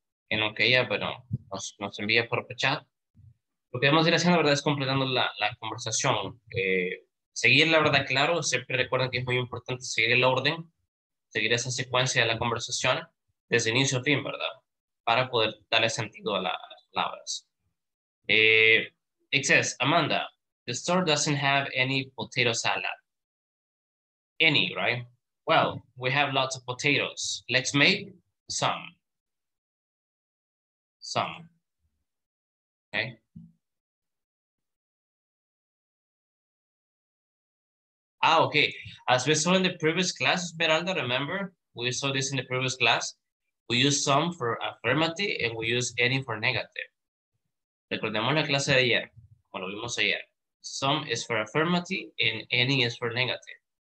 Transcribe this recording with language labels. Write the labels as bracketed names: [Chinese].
[Spanish] En lo que ella, bueno, nos envía por chat. Lo que vamos a ir haciendo, la verdad, es completando la conversación. Seguir, la verdad, claro. Siempre recuerden que es muy importante seguir el orden, seguir esa secuencia de la conversación desde inicio a fin, ¿verdad? Para poder darle sentido a las palabras. [English] It says, Amanda, the store doesn't have any potato salad. Any, right? Well, we have lots of potatoes. Let's make some. Some. Okay. Ah, okay. As we saw in the previous class, Esmeralda, remember, we saw this in the previous class. We use some for affirmative and we use any for negative. [Spanish] Recordemos la clase de ayer, como lo vimos ayer. [English] Some is for affirmative and any is for negative.